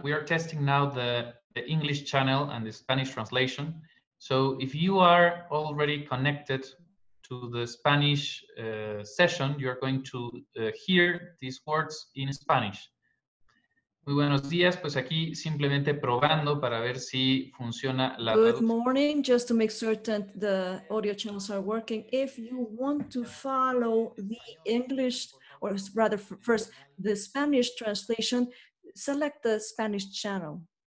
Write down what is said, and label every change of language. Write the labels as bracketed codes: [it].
[en] We are testing now the English channel and the Spanish translation. So if you are already connected to the Spanish session, you're going to hear these words in Spanish. [es] Muy buenos días, pues aquí simplemente probando para ver si funciona la [en] Good morning, just to make certain the audio channels are working. If you want to follow the English or rather first the Spanish translation, select the Spanish channel.